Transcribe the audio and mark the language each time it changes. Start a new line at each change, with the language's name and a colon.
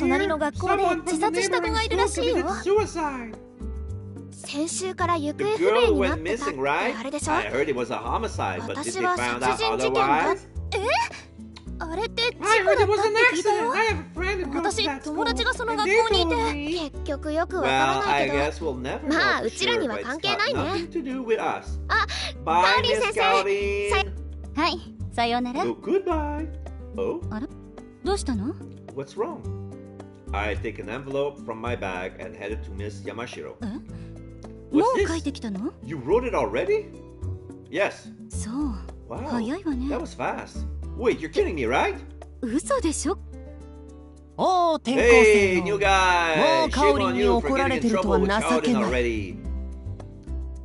Japanese: 隣の学校で自殺した子がいるらしいよ。先週から行方不明になってたってあれでしょ。
English: The girl went missing, right? I heard it was a homicide, but did they found out otherwise?
Japanese: あれって事故だったって聞いたよ。
English: I have a friend who goes to that school.
Japanese: 私、友達がその学校にいて、結局よくわからないけど。
English: Well,
Japanese: まあ、うちらには関係ないね。
English: Sure,
Japanese: あ、バーリー先生。
English: Bye, Miss Calvin.
Japanese: はい、さようなら。
English: Well, goodbye. Oh?
Japanese: あら、どうしたの？
English: What's wrong? I take an envelope from my bag and headed to Miss Yamashiro. What's this?
Japanese: もう書いてきたの?
English: You wrote it already? Yes.
Japanese: そう。
English: Wow.
Japanese: 早いわね。
English: That was fast. Wait, you're kidding me, right?
Japanese: 嘘でしょ? Oh, 転校生。
English: Hey, new guy!
Japanese: もうカオリンに怒られてるとは情けない。
English: Shame on you for getting in trouble with Calvin